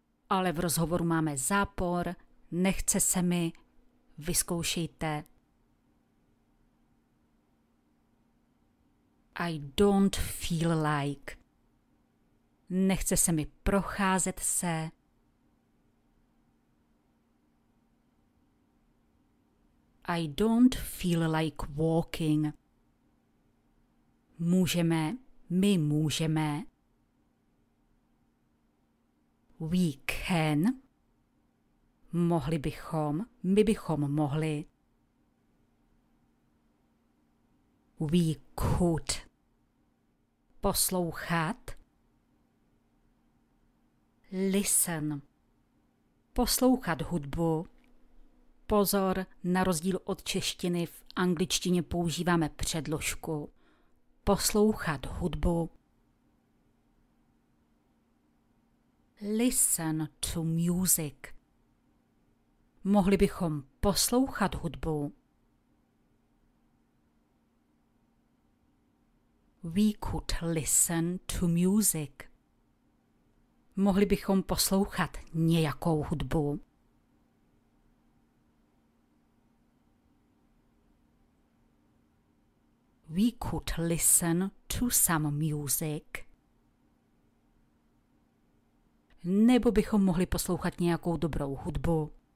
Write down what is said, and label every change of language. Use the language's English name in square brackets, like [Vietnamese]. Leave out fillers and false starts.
[Czech] Ale v rozhovoru máme zápor. Nechce se mi. Vyzkoušejte. [English] I don't feel like. [Czech] Nechce se mi procházet se. [English] I don't feel like walking. [Czech] Můžeme, my můžeme. [English] We can. [Czech] Mohli bychom, my bychom mohli. [English] We could. [Czech] Poslouchat. [English] Listen. [Czech] Poslouchat hudbu. Pozor, na rozdíl od češtiny v angličtině používáme předložku. Poslouchat hudbu. [English] Listen to music. [Czech] Mohli bychom poslouchat hudbu. [English] We could listen to music. [Czech] Mohli bychom poslouchat nějakou hudbu. [English] We could listen to some music. [Czech] Nebo bychom mohli poslouchat nějakou dobrou hudbu.